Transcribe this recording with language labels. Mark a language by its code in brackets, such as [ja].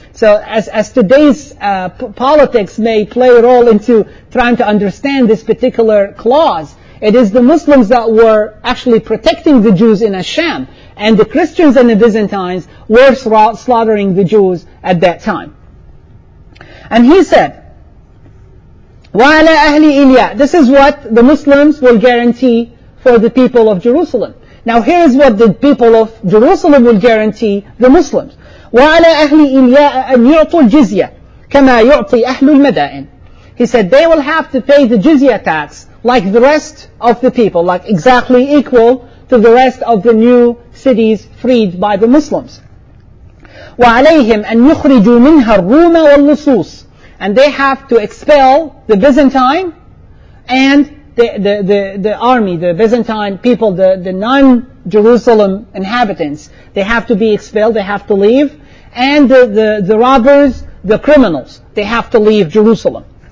[en] So as today's politics may play a role into trying to understand this particular clause, it is the Muslims that were actually protecting the Jews in Hashem, and the Christians and the Byzantines were slaughtering the Jews at that time. And he said, [ar] وَعَلَىٰ أَهْلِ إِلْيَا [en] This is what the Muslims will guarantee for the people of Jerusalem. Now here is what the people of Jerusalem will guarantee the Muslims. [ar] وعلى أهل إلياء أن يعطوا الجزية كما يعطي أهل المدائن. [en] He said they will have to pay the jizya tax like the rest of the people, like exactly equal to the rest of the new cities freed by the Muslims. [ar] وعليهم أن يخرجوا منها الروم واللصوص. [en] And they have to expel the Byzantine and the army, the Byzantine people, the non-Jerusalem inhabitants. They have to be expelled, they have to leave. And the robbers, the criminals, they have to leave Jerusalem.